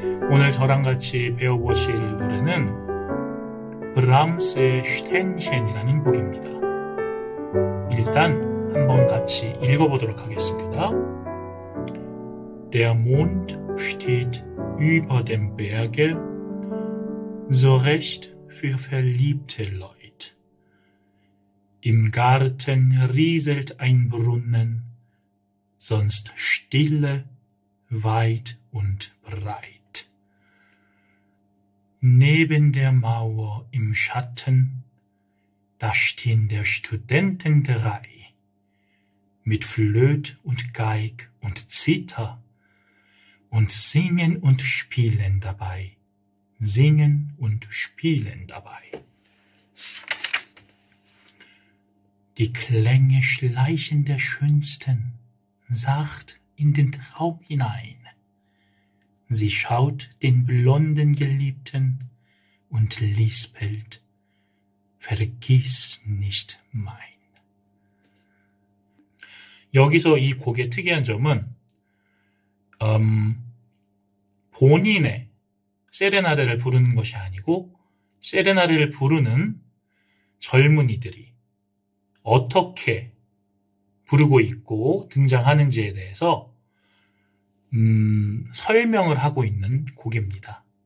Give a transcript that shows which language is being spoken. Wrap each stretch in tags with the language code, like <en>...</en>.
<ko>오늘 저랑 같이 배워보실 노래는 브람스의 슈텐첸이라는 곡입니다. 일단 한번 같이 읽어보도록 하겠습니다.</ko> <de>Der Mond steht über dem Berge, so recht für verliebte Leute. Im Garten rieselt ein Brunnen, sonst stille, weit und breit. Neben der Mauer im Schatten, da stehen der Studenten drei, mit Flöt und Geig und Zither, und singen und spielen dabei, singen und spielen dabei. Die Klänge schleichen der Schönsten sacht in den Traum hinein. Sie schaut den blonden Geliebten und lispelt: Vergiss nicht mein.</de> <ko>여기서 이 곡의 특이한 점은 본인의 세레나데를 부르는 것이 아니고 세레나데를 부르는 젊은이들이 어떻게 부르고 있고 등장하는지에 대해서 설명을 하고 있는 곡입니다.</ko>